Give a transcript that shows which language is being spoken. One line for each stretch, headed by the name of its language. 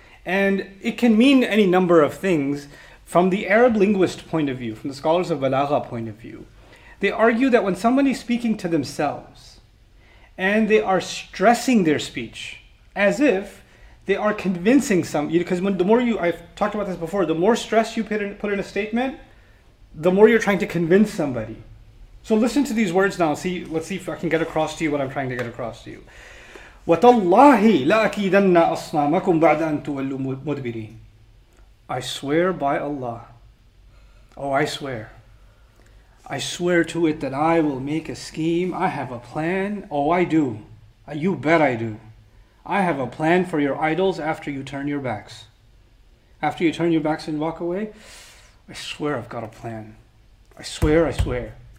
English: And it can mean any number of things. From the Arab linguist point of view, from the scholars of Balagha point of view, they argue that when somebody is speaking to themselves and they are stressing their speech as if they are convincing some, because when the more you, I've talked about this before, the more stress you put in a statement, the more you're trying to convince somebody. So listen to these words now. Let's see if I can get across to you what I'm trying to get across to you.
Arabic: وَتَاللَّهِ لَأَكِيدَنَّ أَصْنَامَكُمْ بَعْدَ أَن تُوَلُّوا مُدْبِرِينَ
English: I swear by Allah. Oh, I swear. I swear to it that I will make a scheme. I have a plan. Oh, I do. You bet I do. I have a plan for your idols after you turn your backs. After you turn your backs and walk away, I swear I've got a plan. I swear.